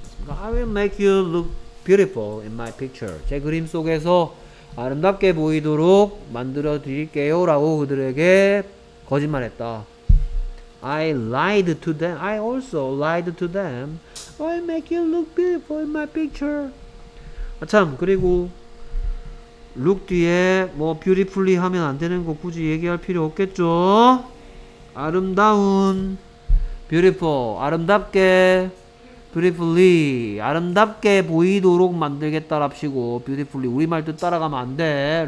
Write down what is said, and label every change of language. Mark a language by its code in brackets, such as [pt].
[en] I will make you look beautiful in my picture. [ko] 제 그림 속에서 아름답게 보이도록 만들어 드릴게요 라고 그들에게 거짓말했다. [en] I lied to them. I also lied to them. I make you look beautiful in my picture. [ko] 아 참, 그리고 룩 뒤에 뭐 뷰티풀리 하면 안 되는 거 굳이 얘기할 필요 없겠죠? 아름다운, 뷰티풀, 아름답게, 뷰티풀리, 아름답게 보이도록 만들겠다랍시고, 뷰티풀리, 우리말도 따라가면 안 돼.